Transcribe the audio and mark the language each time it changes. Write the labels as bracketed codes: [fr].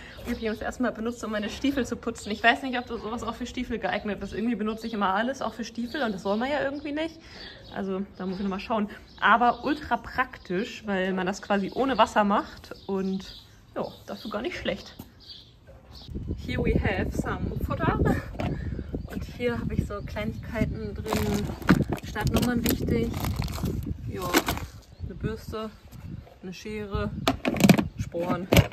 [de] Die habe ich jetzt erstmal benutzt, um meine Stiefel zu putzen. Ich weiß nicht, ob das sowas auch für Stiefel geeignet ist. Irgendwie benutze ich immer alles, auch für Stiefel. Und das soll man ja irgendwie nicht. Also da muss ich nochmal schauen. Aber ultra praktisch, weil man das quasi ohne Wasser macht. Und ja, dafür gar nicht schlecht. [en] Here we have some Futter. [de] Und hier habe ich so Kleinigkeiten drin. Startnummern wichtig. Ja, eine Bürste, eine Schere. Sporen.